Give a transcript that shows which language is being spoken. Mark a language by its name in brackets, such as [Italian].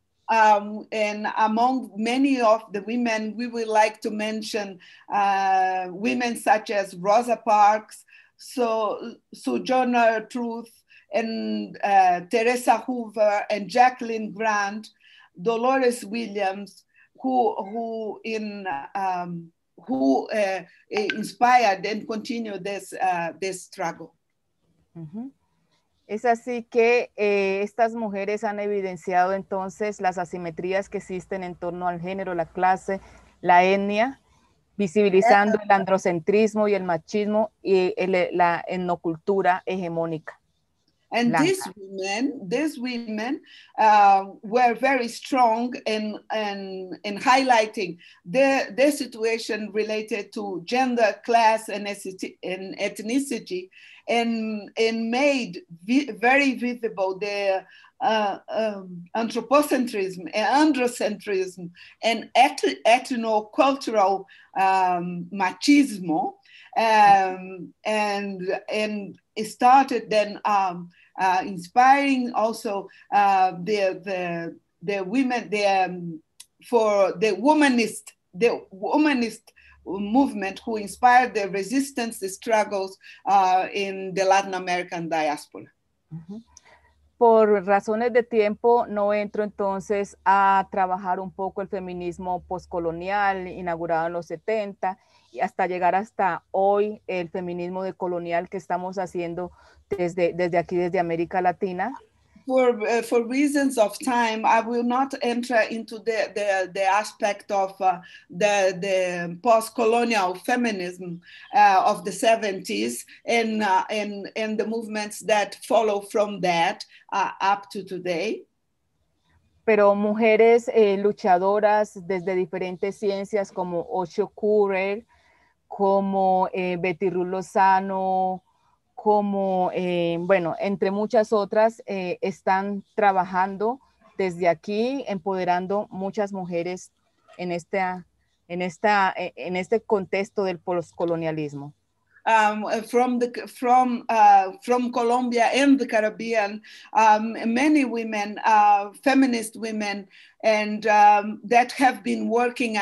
[English] And among many of the women, we would like to mention women such as Rosa Parks, Sojourner Truth, and Teresa Hoover and Jacqueline Grant, Dolores Williams, who inspired and continue this struggle. [Spanish] Es así que estas mujeres han evidenciado entonces las asimetrías que existen en torno al género, la clase, la etnia, visibilizando el androcentrismo y el machismo y la etnocultura hegemónica. [English] And Blanca. these women were very strong in highlighting the situation related to gender, class, and ethnicity, and made very visible the anthropocentrism, androcentrism, and ethno-cultural machismo, and started then. Inspiring also the women for the womanist movement who inspired the resistance struggles in the Latin American diaspora. [Spanish] Por razones de tiempo no entro entonces a trabajar un poco el feminismo postcolonial inaugurado en los 70 y hasta llegar hasta hoy el feminismo decolonial que estamos haciendo desde aquí, desde América Latina. [English] For reasons of time, I will not enter into the aspect of the post-colonial feminism of the 70s and the movements that follow from that up to today. [Spanish] pero mujeres luchadoras desde diferentes ciencias como Ocho Currer, como Betty Ruth Lozano, como, bueno, entre muchas otras, están trabajando desde aquí, empoderando muchas mujeres en esta, en esta, en este contexto del postcolonialismo. [English] From Colombia and the Caribbean, many women, feminist women, and that have been working.